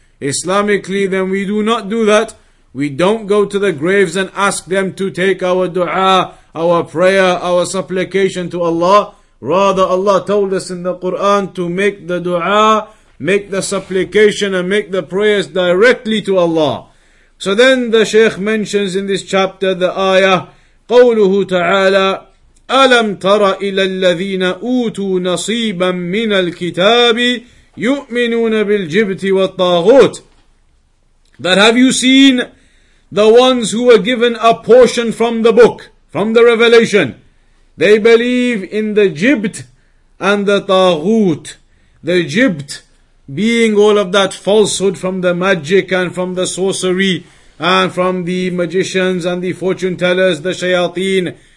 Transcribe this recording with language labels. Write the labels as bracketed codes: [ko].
[en] Islamically, then we do not do that. We don't go to the graves and ask them to take our dua, our prayer, our supplication to Allah. Rather, Allah told us in the Quran to make the dua, make the supplication, and make the prayers directly to Allah. So then the Shaykh mentions in this chapter the ayah, [ar] قوله تعالى ألم تر إلى الذين أوتوا نصيبا من الكتاب يؤمنون بالجبت والطاغوت. [en] That have you seen the ones who were given a portion from the book, from the revelation? They believe in the jibt and the taghut. The jibt being all of that falsehood from the magic and from the sorcery and from the magicians and the fortune tellers, the shayateen.